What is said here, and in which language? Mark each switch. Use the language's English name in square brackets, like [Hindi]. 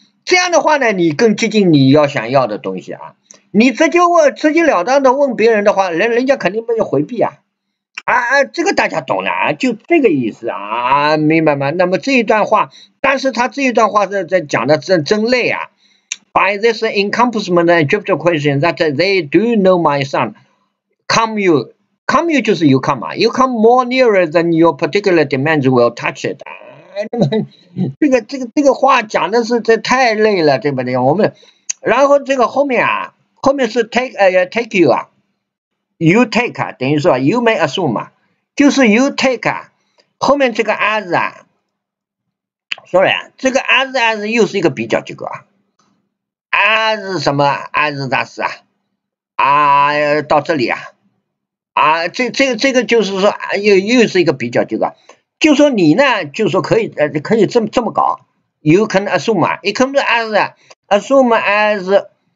[Chinese] 这样的话呢，你更接近你要想要的东西啊。你直接问，直截了当的问别人的话，人家肯定没有回避啊。啊，这个大家懂了啊，就这个意思啊，明白吗？那么这一段话，但是他这一段话是在讲的真累啊。 [English] By this encompassment and drift question that they do know my son, come you 就是 you come 啊 ，you come more nearer than your particular demands will touch it 啊。 [Chinese] 那么这个话讲的是这太累了，对不对？我们然后这个后面是 take you 啊。 You take 啊，等于说 [English] you may assume [Chinese] 啊，就是 you take 啊，后面这个 as 啊 ，sorry 啊，这个 as 又是一个比较结构啊 ，as 什么 as thus 啊，啊到这里啊，啊这个就是说又是一个比较结构，就说你呢，就说可以这么搞 ， [English] you can assume [Chinese] 啊 ， [English] it comes as assume as。